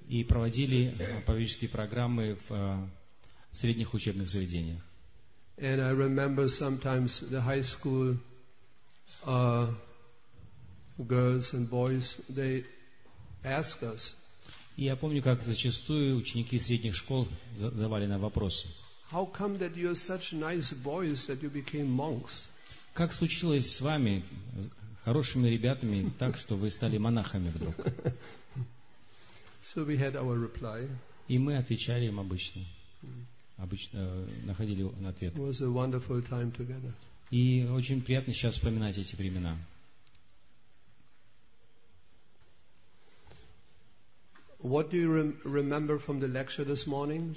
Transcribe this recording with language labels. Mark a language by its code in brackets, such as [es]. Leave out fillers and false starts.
[ru] И проводили поведенческие программы в средних учебных заведениях. [en] And I remember sometimes the high school girls and boys, they ask us. [ru] И я помню, как зачастую ученики средних школ задавали нам вопросы. [en] How come that you are such nice boys that you became monks? [ru] Как случилось с вами, хорошими ребятами, так что вы стали монахами вдруг? [en] So we had our reply. [ru] И мы отвечали им обычно. Обычно находили ответ. [en] It was a wonderful time together. [ru] И очень приятно сейчас вспоминать эти времена. [en] What do you remember from the lecture this morning?